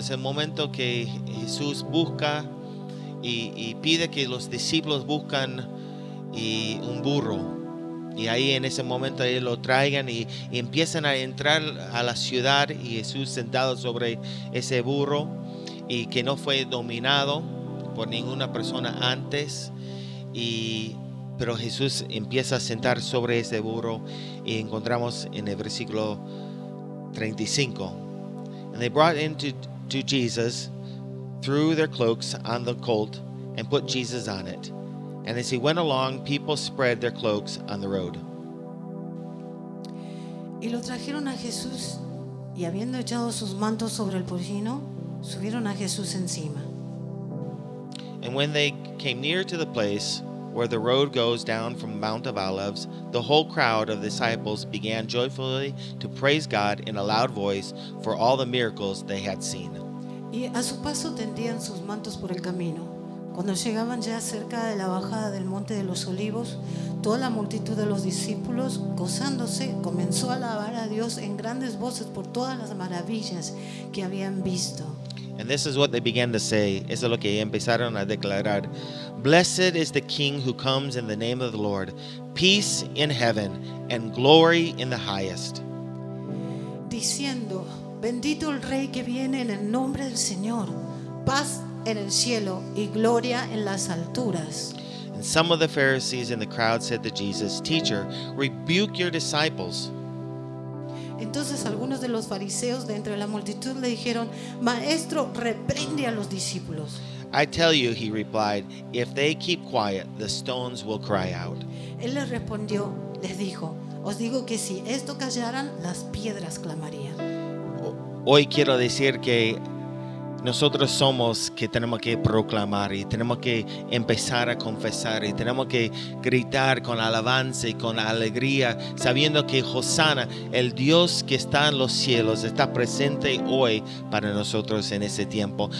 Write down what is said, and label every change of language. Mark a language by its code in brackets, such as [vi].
[es] Es el momento que Jesús busca y pide que los discípulos buscan un burro, y ahí en ese momento ellos lo traigan y empiezan a entrar a la ciudad, y Jesús sentado sobre ese burro, y que no fue dominado por ninguna persona antes, pero Jesús empieza a sentar sobre ese burro, y encontramos en el versículo 35. [en] And they brought to Jesus, threw their cloaks on the colt, and put Jesus on it. And as he went along, people spread their cloaks on the road. [es] Y lo trajeron a Jesús, y habiendo echado sus mantos sobre el pollino, subieron a Jesús encima. [en] And when they came near to the place where the road goes down from Mount of Olives, the whole crowd of disciples began joyfully to praise God in a loud voice for all the miracles they had seen. [es] Y a su paso tendían sus mantos por el camino. Cuando llegaban ya cerca de la bajada del Monte de los Olivos, toda la multitud de los discípulos, gozándose, comenzó a alabar a Dios en grandes voces por todas las maravillas que habían visto. [en] And this is what they began to say. [es] Eso es lo que empezaron a declarar. [en] Blessed is the King who comes in the name of the Lord. Peace in heaven and glory in the highest. [es] Diciendo, bendito el Rey que viene en el nombre del Señor. Paz en el cielo y gloria en las alturas. [en] And some of the Pharisees in the crowd said to Jesus, Teacher, rebuke your disciples. [es] Entonces algunos de los fariseos de entre la multitud le dijeron, Maestro, reprende a los discípulos. [en] I tell you, he replied, if they keep quiet, the stones will cry out. [es] Él les respondió, les dijo, os digo que si esto callaran, las piedras clamarían. Hoy quiero decir que nosotros somos que tenemos que proclamar y tenemos que empezar a confesar y tenemos que gritar con alabanza y con alegría, sabiendo que Hosanna, el Dios que está en los cielos, está presente hoy para nosotros en ese tiempo.